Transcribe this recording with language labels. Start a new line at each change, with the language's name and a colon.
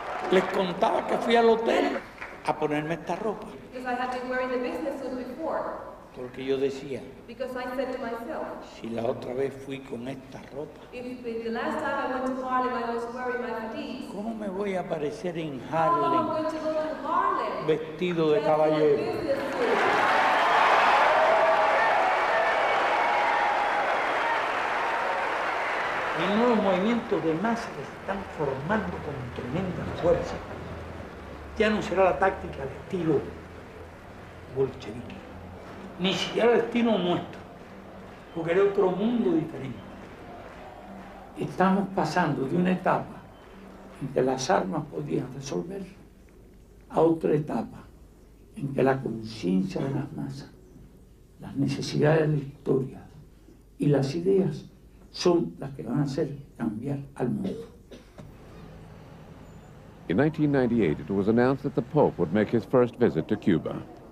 Spanish: Les contaba que fui al hotel a ponerme esta ropa.
English: Because I had been wearing the business suit before.
Spanish: Porque yo decía,
English: because I said to myself,
Spanish: si la otra vez fui con esta ropa,
English: if the last time I went to Harlem I was wearing my fatigues,
Spanish: ¿cómo me voy a aparecer en Harlem,
English: how am I going to go to Harlem
Spanish: vestido de caballero? Y no, los movimientos de masa que se están formando con tremenda fuerza. Ya no será la táctica al estilo bolchevique. Ni siquiera el estilo nuestro. Porque era otro mundo diferente. Estamos pasando de una etapa en que las armas podían resolver a otra etapa en que la conciencia de las masas, las necesidades de la historia y las ideas son las que van a hacer cambiar al mundo.
English: In 1998, it was announced that the Pope would make his first visit to Cuba.